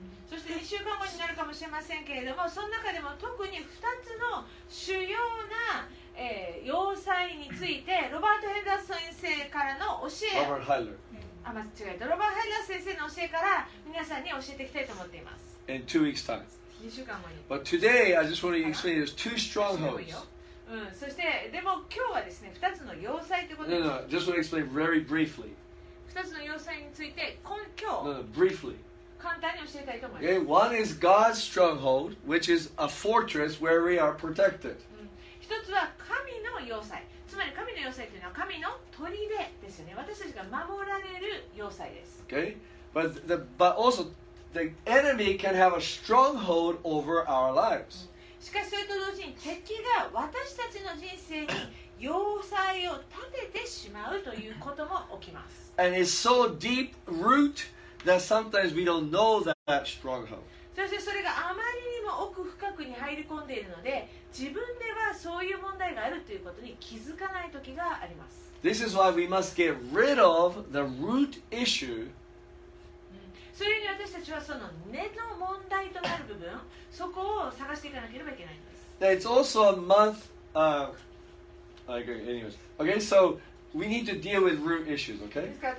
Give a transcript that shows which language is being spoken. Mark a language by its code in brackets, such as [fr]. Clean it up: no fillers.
[ja] そして2週間後になるかもしれませんけれども、その中でも特に2つの主要な、要塞について、ロバート・ヘンダーソン先生からの教え、 [en] Robert Heiler。 [ja] ロバート・ヘンダーソン先生の教えから皆さんに教えていきたいと思っています。 [en] In 2 weeks' time. [ja] 2週間後に。 [en] But today, I just want to explain there's two strongholds. [ja] そして、でも今日はですね、2つの要塞ということで。 [en] No, just want to explain very briefly. [ja] 2つの要塞について、今日。 [en] No, briefly. [ja] 簡単に教えたいと思います。 [en] One is God's stronghold, which is a fortress where we are protected. [ja] 一つは神の要塞。つまり神の要塞というのは神の砦ですよね。私たちが守られる要塞です。 [en] Okay? But also, the enemy can have a stronghold over our lives. [ja] しかしそれと同時に敵が私たちの人生に要塞を立ててしまうということも起きます。 [en] And it's so deep root. That sometimes we don't know that stronghold. [ja] そしてそれがあまりにも奥深くに入り込んでいるので、自分ではそういう問題があるということに気づかない時があります。 [en] This is why we must get rid of the root issue. [ja] それに私たちはその根の問題となる部分、そこを探していかなければいけないんです。 [en] It's also a month. Anyways. Okay. So. We need to deal with root issues, okay?